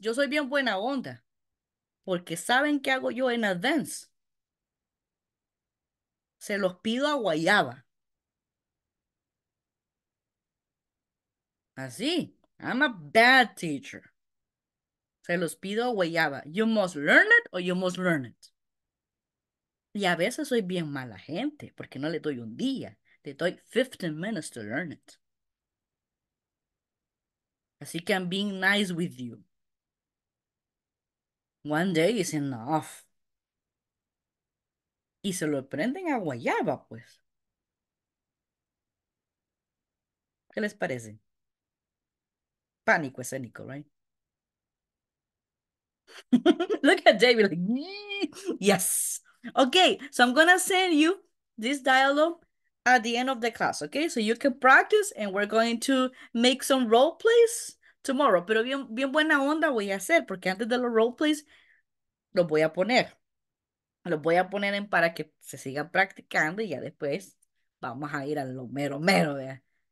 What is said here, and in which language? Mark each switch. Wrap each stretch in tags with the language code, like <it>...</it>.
<es>Yo soy bien buena onda. Porque saben qué hago yo en advance. Se los pido a guayaba. Así,</es> <en>I'm a bad teacher.</en> <es>Se los pido guayaba.</es> <en>You must learn it or you must learn it.</en> <es>Y a veces soy bien mala gente porque no le doy un día. Le doy</es> <en>15 minutes to learn it.</en> <es>Así que</es> <en>I'm being nice with you. One day is enough.</en> <es>Y se lo prenden a guayaba, pues. ¿Qué les parece? Pánico escénico, right?</es> <en>Look at David, like, yes. Okay, so I'm gonna send you this dialogue at the end of the class, okay? So you can practice and we're going to make some role plays tomorrow.</en> <es>Pero bien, bien buena onda voy a hacer porque antes de los role plays los voy a poner. Los voy a poner en para que se sigan practicando y ya después vamos a ir a lo mero mero, ¿vea?</es>